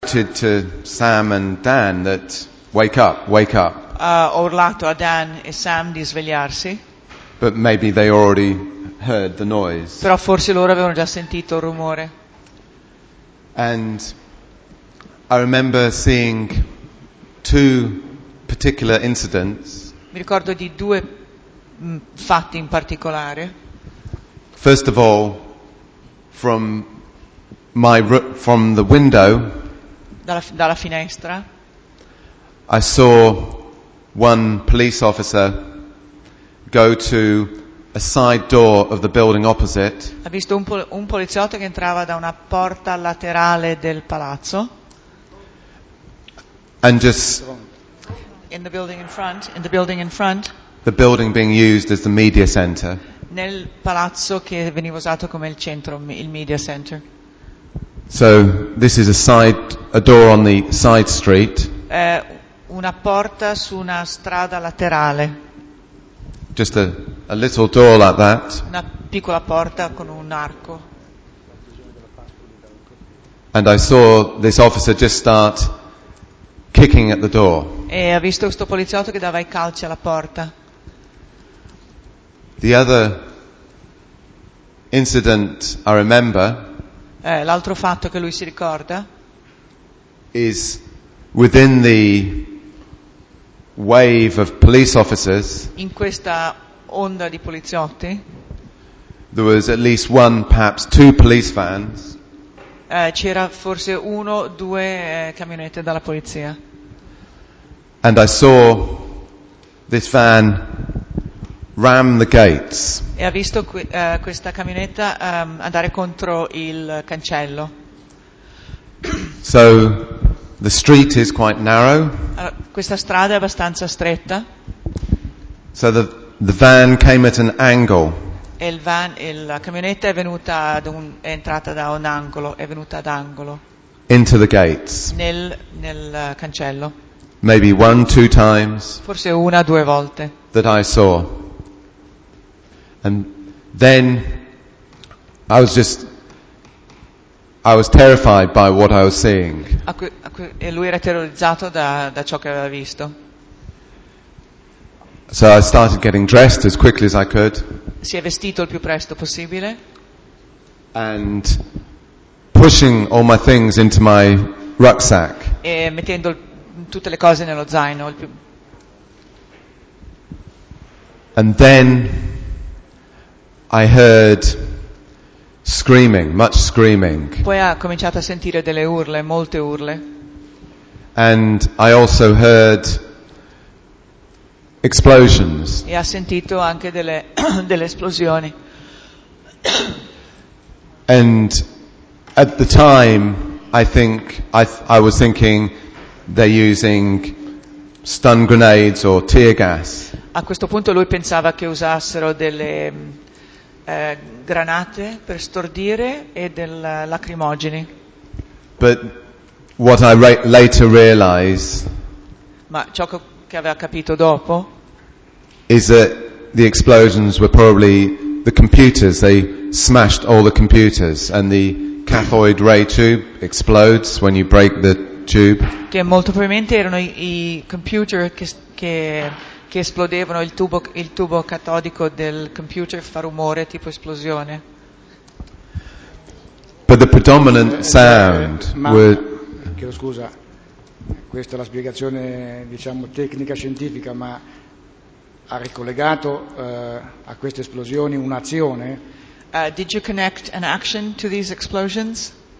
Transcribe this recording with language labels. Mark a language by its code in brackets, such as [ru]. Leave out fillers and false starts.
[en] to Sam and Dan that wake up, wake up. [it] Ho urlato a Dan e Sam di svegliarsi. [en] But maybe they already heard the noise. [it] Però forse loro avevano già sentito il rumore. [en] And I remember seeing two particular incidents. [it] Mi ricordo di due fatti in particolare. [en] First of all, from the window, [it] dalla finestra, [en] I saw one police officer go to a side door of the building opposite. [it] Ha visto un poliziotto che entrava da una porta laterale del palazzo. [en] And just in the building in front. The building being used as the media center. [it] Nel palazzo che veniva usato come il centro, il media center. [en] So this is a door on the side street. [it] Una porta su una strada laterale. [en] Just a little door like that. [it] Una piccola porta con un arco. [en] And I saw this officer just start kicking at the door. [it] E ha visto questo poliziotto che dava i calci alla porta. [en] The other incident I remember. [it] L'altro fatto che lui si ricorda. [en] Is within the wave of police officers. [it] In questa onda di poliziotti. [en] There was at least one, perhaps two police vans. [it] C'era forse uno, due camionette dalla polizia. [en] And I saw this van ram the gates. [it] E ha visto questa camionetta andare contro il cancello. [en] So the street is quite narrow. [it] Questa strada è abbastanza stretta. [en] So the van came at an angle. [it] E la camionetta è entrata da un angolo, è venuta ad angolo. [en] Into the gates. [it] Nel cancello. [en] Maybe one, two times. [it] Forse una, due volte. [en] That I saw. And then I was terrified by what I was seeing. [it] E lui era terrorizzato da ciò che aveva visto. [en] So I started getting dressed as quickly as I could. [it] Si è vestito il più presto possibile. [en] And pushing all my things into my rucksack. [it] E mettendo tutte le cose nello zaino. [en] And then I heard screaming, much screaming. [it] Poi ha cominciato a sentire delle urle, molte urle. [en] And I also heard explosions. [it] E ha sentito anche delle esplosioni. [en] And at the time, I think I was thinking they're using stun grenades or tear gas. [it] A questo punto lui pensava che usassero delle granate per stordire e del lacrimogeni. [en] But what I later realized. [it] Ma ciò che aveva capito dopo. [en] Is that the explosions were probably the computers. They smashed all the computers and the cathode ray tube explodes when you break the tube. [it] Che molto probabilmente erano i computer che esplodevano, il tubo catodico del computer fa rumore tipo esplosione. [en] But the predominant sound [it] chiedo scusa, questa è la spiegazione diciamo tecnica scientifica, ma ha ricollegato a queste esplosioni un'azione? [en] Did you connect an action to these explosions?